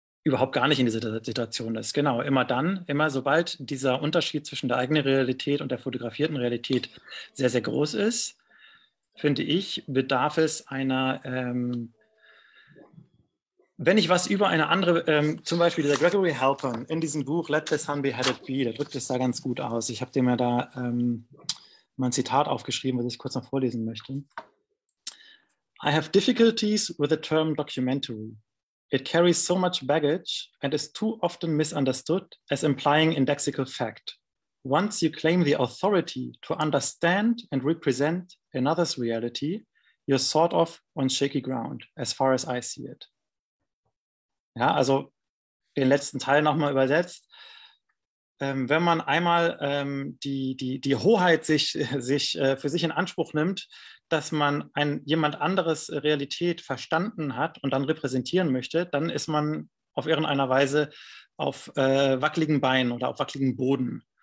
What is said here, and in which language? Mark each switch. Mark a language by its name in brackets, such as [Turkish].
[German] überhaupt gar nicht in dieser Situation ist. Genau, immer dann, immer sobald dieser Unterschied zwischen der eigenen Realität und der fotografierten Realität sehr, sehr groß ist, finde ich, bedarf es einer, wenn ich was über eine andere, zum Beispiel dieser Gregory Halpern in diesem Buch Let the Sun Beheaded Be, der drückt es da ganz gut aus. Ich habe dem ja da mein Zitat aufgeschrieben, was ich kurz noch vorlesen möchte. [English] I have difficulties with the term documentary. It carries so much baggage and is too often misunderstood as implying indexical fact. Once you claim the authority to understand and represent another's reality, you're sort of on shaky ground, as far as I see it. [German] Ja, also den letzten Teil nochmal übersetzt. Wenn man einmal die Hoheit sich für sich in Anspruch nimmt, dass man ein jemand anderes Realität verstanden hat und dann repräsentieren möchte, dann ist man auf irgendeiner Weise auf wackeligen Beinen oder auf wackeligen Boden.